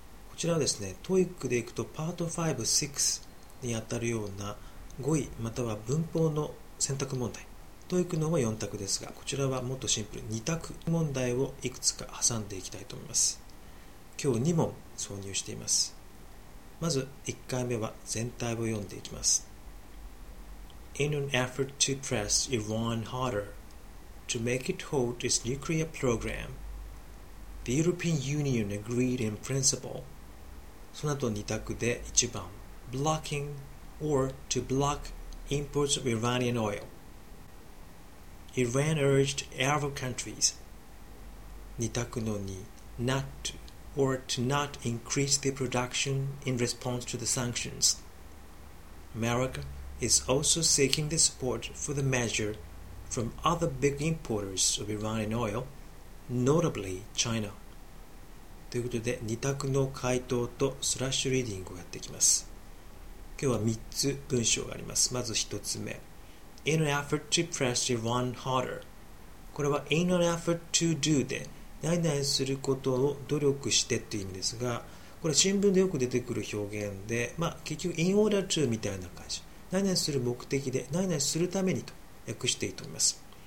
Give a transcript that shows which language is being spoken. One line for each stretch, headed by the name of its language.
Japanese: こちらはですね、 TOEIC でいくとパート5、6にあたるような語彙または文法の選択問題、 TOEIC の方は4択ですが、こちらはもっとシンプル2択問題をいくつか挟んでいきたいと思います。今日2問挿入しています。まず1回目は全体を読んでいきます。
English: In an effort to press Iran harder to make it halt its nuclear program, the European Union agreed in principle。
Japanese: その後2択で1番、
English: Blocking or to block imports of Iranian oil。 Iran urged Arab countries、
Japanese: 2択の2、
English: Not toor to not increase the production in response to the sanctions. America is also seeking the support for the measure from other big importers of Iranian oil, notably China.
Japanese: ということで、2択の回答とスラッシュリーディングをやっていきます。今日は3つ文章があります。
English: まず1つ目。In an effort to press Iran harder.
Japanese: これは
English: in an effort to do
Japanese: で、何々することを努力してという意味ですが、これ新聞でよく出てくる表現で、まあ結局 in order to みたいな感じ、何々する目的で、何々するためにと訳していいと思います。